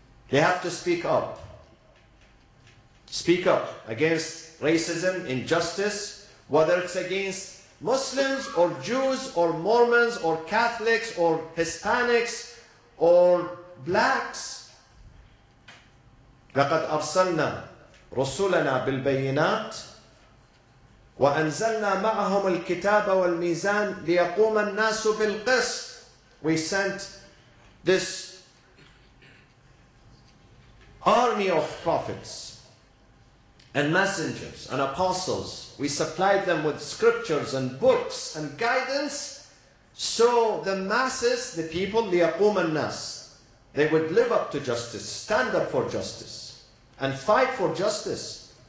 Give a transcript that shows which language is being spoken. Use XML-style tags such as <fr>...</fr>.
<en>They have to speak up. Speak up against racism, injustice, whether it's against Muslims or Jews or Mormons or Catholics or Hispanics or blacks.</en> <ar>لقد أرسلنا رسلنا بالبينات وأنزلنا معهم الكتاب والميزان ليقوم الناس بالقسط.</ar> <en>We sent this army of prophets and messengers and apostles. We supplied them with scriptures and books and guidance, so the masses, the people, liyaqum an-nas, they would live up to justice, stand up for justice, and fight for justice.</en>